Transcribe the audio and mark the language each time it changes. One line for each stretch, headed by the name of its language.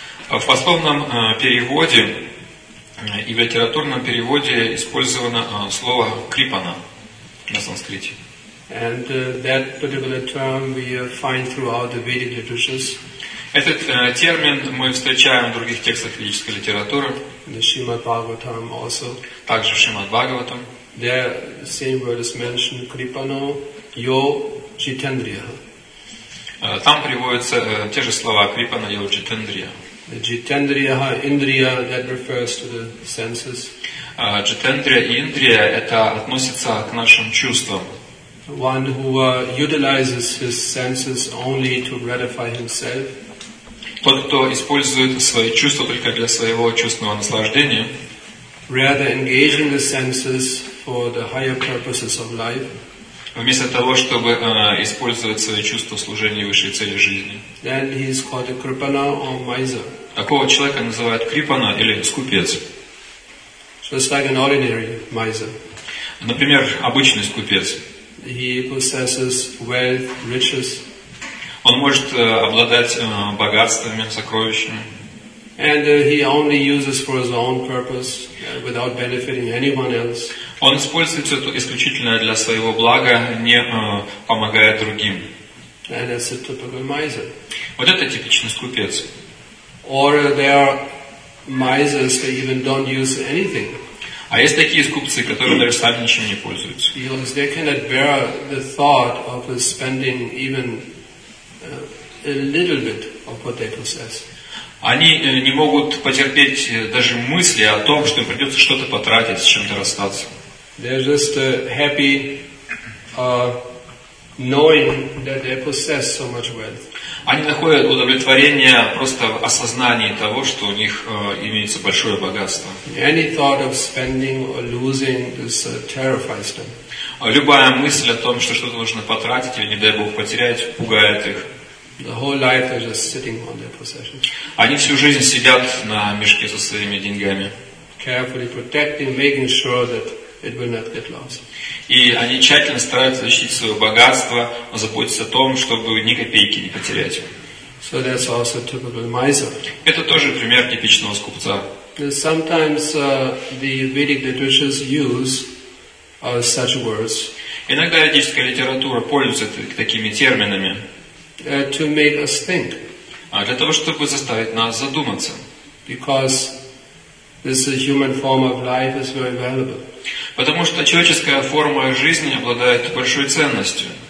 Russian: В пословном переводе и в литературном переводе использовано слово kripana на санскрите.
English: And that particular term we find throughout the Vedic literatures.
Russian: Этот термин мы встречаем в других текстах ведической литературы.
English: In the Shrimad Bhagavatam also.
Russian: Также в Шримад Бхагаватам.
English: There same word is mentioned
Sanskrit: kripano yo jitendriya.
Russian: Там приводятся те же слова
Sanskrit: kripano yo jitendriya.
English: The jitendriya indriya that refers to the senses.
Russian: Jitendriya indriya это относится к нашим чувствам.
English: One who utilizes his senses only to gratify himself.
Russian: Тот, кто использует свои чувства только для своего чувственного наслаждения.
English: Rather engaging the senses for the higher purposes of life.
Russian: Вместо того, чтобы использовать свои чувства в служении высшей цели жизни.
English: Then he is called a kripana or miser.
Russian: Такого человека называют kripana или скупец.
English: Just like an ordinary miser.
Russian: Например, обычный скупец.
English: He possesses wealth, riches.
Russian: Он может обладать богатствами, сокровищами.
English: And he only uses for his own purpose, without benefiting anyone else.
Russian: Он использует это исключительно для своего блага, не помогая другим.
English: And that's a typical miser.
Russian: Вот это типичный скупец.
English: Or there are misers who even don't use anything.
Russian: А есть такие скупцы, которые даже сами ничем не пользуются.
English: Because they cannot bear the thought of spending even a little bit of what they possess.
Russian: Они не могут потерпеть даже мысли о том, что им придется что-то потратить, с чем-то расстаться.
English: They're just happy knowing that they possess so much wealth.
Russian: Они находят удовлетворение просто в осознании того, что у них имеется большое богатство.
English: Any thought of spending or losing this terrifies them.
Russian: Любая мысль о том, что что-то нужно потратить или, не дай Бог, потерять, пугает их.
English: The whole life they're just sitting on their possessions.
Russian: Они всю жизнь сидят на мешке со своими деньгами.
English: Carefully protecting, making sure that it will not get lost.
Russian: И они тщательно стараются защитить свое богатство, заботиться о том, чтобы ни копейки не потерять.
English: So that's also typical miser.
Russian: Это тоже пример типичного скупца.
English: Sometimes the Vedic literatures use such words.
Russian: Иногда ведическая литература пользуется такими терминами.
English: to make us think.
Russian: А для того, чтобы заставить нас задуматься.
English: Because this human form of life is very valuable.
Russian: Потому что человеческая форма жизни обладает большой ценностью.